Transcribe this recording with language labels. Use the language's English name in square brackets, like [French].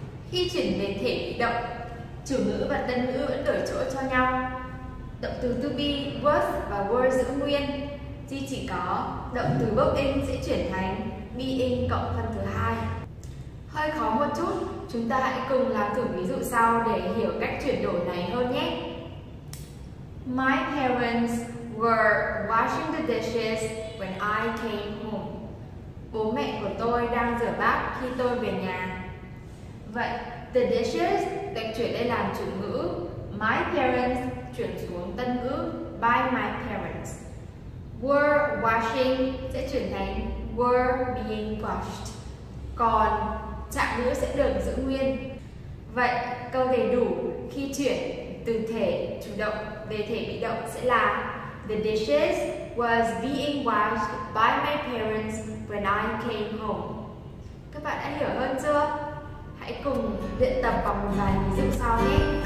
[Vietnamese] Khi chuyển về thể bị động, chủ ngữ và tân ngữ vẫn đổi chỗ cho nhau. Động từ to be, was và were giữ nguyên. Khi chỉ có động từ being sẽ chuyển thành being cộng phần thứ hai. Hơi khó một chút, chúng ta hãy cùng làm thử ví dụ sau để hiểu cách chuyển đổi này hơn nhé. [English] My parents were washing the dishes when I came home. [Vietnamese] Bố mẹ của tôi đang rửa bát khi tôi về nhà. Vậy [English] the dishes [Vietnamese] được chuyển lên làm chủ ngữ, [English] my parents [Vietnamese] chuyển xuống tân ngữ [English] by my parents. Were washing [Vietnamese] sẽ chuyển thành [English] were being washed. [Vietnamese] Còn trạng ngữ sẽ được giữ nguyên. Vậy câu đầy đủ khi chuyển từ thể chủ động về thể bị động sẽ là [English] the dishes was being washed by my parents when I came home. [Vietnamese] Các bạn đã hiểu hơn chưa? Hãy cùng luyện tập bằng một vài ví dụ sau nhé.